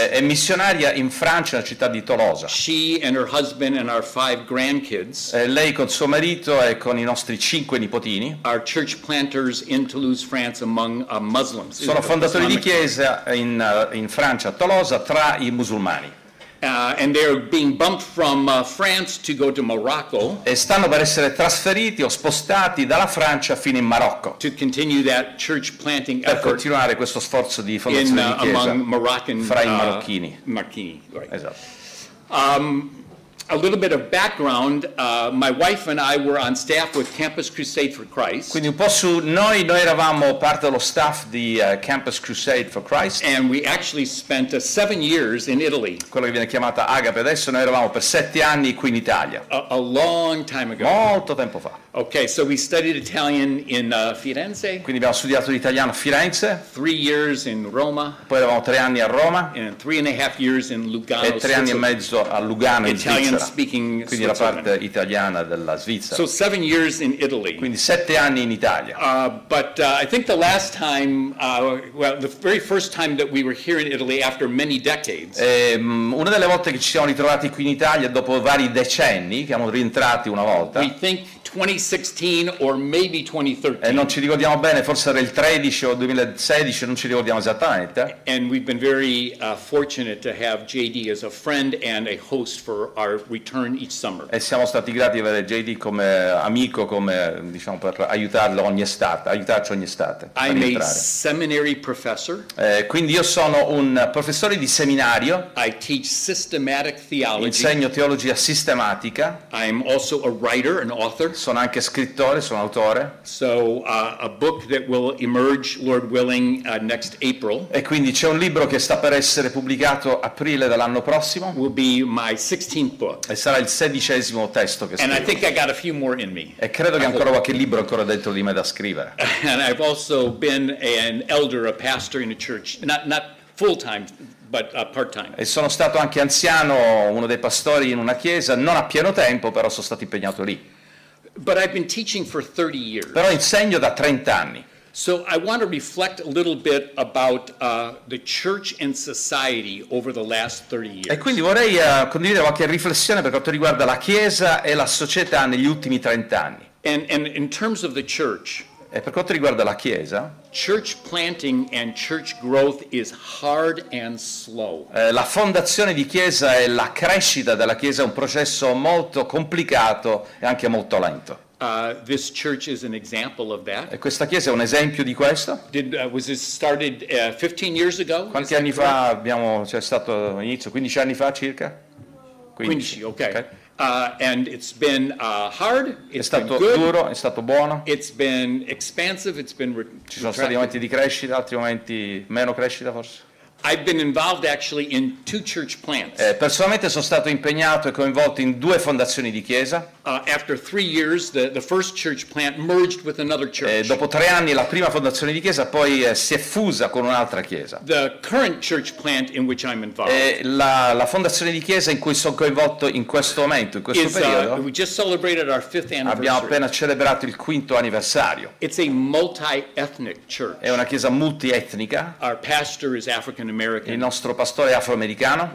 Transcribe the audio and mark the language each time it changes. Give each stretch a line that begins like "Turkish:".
Italian: È missionaria in Francia, la città di Tolosa.
English: She and her husband and our 5 grandkids.
Italian: Lei con suo marito e con i nostri 5 nipotini.
English: Are church planters in Toulouse, France, among Muslims.
Italian: Sono fondatori di chiesa in Francia, Tolosa, tra i musulmani.
English: And they're being bumped from France to go to Morocco.
Italian: E stanno per essere trasferiti o spostati dalla Francia fino in Marocco.
English: To continue that church planting effort.
Italian: Per continuare questo sforzo di fondazione di chiesa.
English: Among Moroccan,
Italian: fra i marocchini. Marocchini, right. Esatto.
English: A little bit of background, my wife and I were on staff with Campus Crusade for Christ.
Italian: Quindi un po' su noi eravamo parte dello staff di Campus Crusade for Christ.
English: And we actually spent 7 years in Italy.
Italian: Quello che viene chiamata Agape adesso, noi eravamo per 7 anni qui in Italia.
English: A long time ago.
Italian: Molto tempo fa.
English: Okay, so we studied Italian in Firenze.
Italian: Quindi abbiamo studiato l'italiano a Firenze.
English: 3 years in Roma.
Italian: Poi eravamo 3 anni a Roma.
English: And 3.5 years in Lugano.
Italian: E 3 anni e mezzo a Lugano in Svizzera.
English: Speaking
Italian: quindi la parte italiana della Svizzera.
English: So 7 years in Italy.
Italian: Quindi 7 anni in Italia.
English: I think the last time the very first time that we were here in Italy after many decades.
Italian: Una delle volte che ci siamo ritrovati qui in Italia dopo vari decenni, che siamo rientrati una volta.
English: We think 2016 or maybe 2013.
Italian: E non ci ricordiamo bene, forse era il 13 o 2016, non ci ricordiamo esattamente.
English: And we've been very fortunate to have JD as a friend and a host for our return each summer.
Italian: E siamo stati grati di avere JD come amico, come diciamo per aiutarci ogni estate.
English: I'm a seminary professor.
Italian: Quindi io sono un professore di seminario.
English: I teach systematic theology.
Italian: Insegno teologia sistematica.
English: I'm also a writer, an author.
Italian: Sono anche scrittore, sono autore.
English: So a book that will emerge, Lord willing, next April.
Italian: E quindi c'è un libro che sta per essere pubblicato aprile dell'anno prossimo.
English: Will be my 16th book.
Italian: E sarà il 16° testo che
English: and
Italian: scrivo.
English: I think I got a few more in me.
Italian: E credo che ancora qualche libro ancora dentro di me da scrivere.
English: And I've also been an elder, a pastor in a church, not full time. But part-time.
Italian: E sono stato anche anziano, uno dei pastori in una chiesa, non a pieno tempo, però sono stato impegnato lì.
English: But I've been teaching for 30 years.
Italian: Però insegno da 30 anni.
English: So I want to reflect a little bit about the church and society over the last 30 years.
Italian: E quindi vorrei condividere qualche riflessione per quanto riguarda la chiesa e la società negli ultimi 30 anni.
English: And in terms of the church.
Italian: E per quanto riguarda la Chiesa,
English: church planting and church growth is hard and slow.
Italian: La fondazione di Chiesa e la crescita della Chiesa è un processo molto complicato e anche molto lento.
English: This church is an example of that.
Italian: E questa chiesa è un esempio di questo.
English: Was it started 15 years ago?
Italian: Quanti anni fa abbiamo, cioè, stato inizio? 15 anni fa circa?
English: 15, okay. And it's been hard, it's
Italian: è stato
English: been good,
Italian: duro, è stato buono.
English: It's been expansive, it's been
Italian: ci sono stati momenti di crescita, altri momenti meno crescita forse.
English: I've been involved actually in two church plants.
Italian: Personalmente sono stato impegnato e coinvolto in due fondazioni di chiesa.
English: After 3 years, the first church plant merged with another church.
Italian: Dopo 3 anni la prima fondazione di chiesa poi si è fusa con un'altra chiesa.
English: The current church plant in which I'm involved.
Italian: La fondazione di chiesa in cui sono coinvolto in questo momento, in questo periodo.
English: We just celebrated our fifth anniversary.
Italian: Abbiamo appena celebrato il quinto anniversario.
English: It's a multi-ethnic church.
Italian: È una chiesa multietnica.
English: Our pastor is African-American.
Italian: Il nostro pastore è afroamericano.